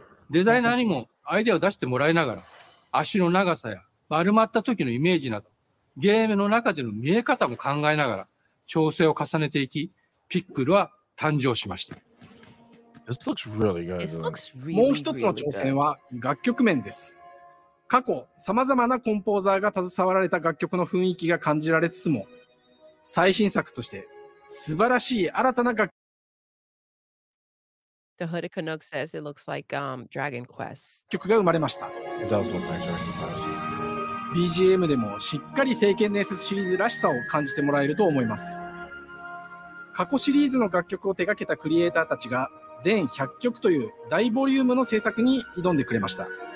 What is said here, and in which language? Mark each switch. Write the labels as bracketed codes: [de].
[ja] デザイナーにもアイデアを出してもらいながら、足の長さや丸まった時のイメージなど、ゲームの中での見え方も考えながら調整を重ねていき、ピックルは誕生しました。 [en] This looks really good. [ja] もう一つの挑戦は楽曲面です。過去、さまざまなコンポーザーが携わられた楽曲の雰囲気が感じられつつも、最新作として素晴らしい新たな楽曲。 [en] The Hooded Canuck says it looks like Dragon Quest. [ja] 曲が生まれました。 [en] It does look like Dragon Quest. [ja] BGM でもしっかり聖剣伝説シリーズらしさを感じてもらえると思います。過去シリーズの楽曲を手掛けたクリエイターたちが全100曲という大ボリュームの制作に挑んでくれました。